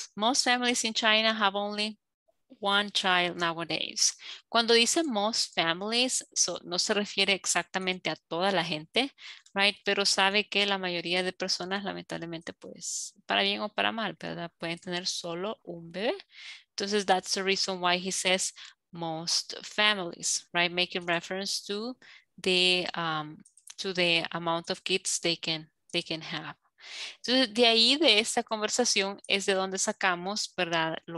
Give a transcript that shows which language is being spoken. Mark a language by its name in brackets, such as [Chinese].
[English] Most families in China have only one child nowadays. [Spanish] Cuando dice [English] most families, [Spanish] so, no se refiere exactamente a toda la gente, right? Pero sabe que la mayoría de personas, lamentablemente, pues, para bien o para mal, ¿verdad? Pueden tener solo un bebé. [English] Entonces, that's the reason why he says most families, right? Making reference to the amount of kids they can have. [Spanish] Entonces, de ahí, de esta conversación, es de donde sacamos, ¿verdad?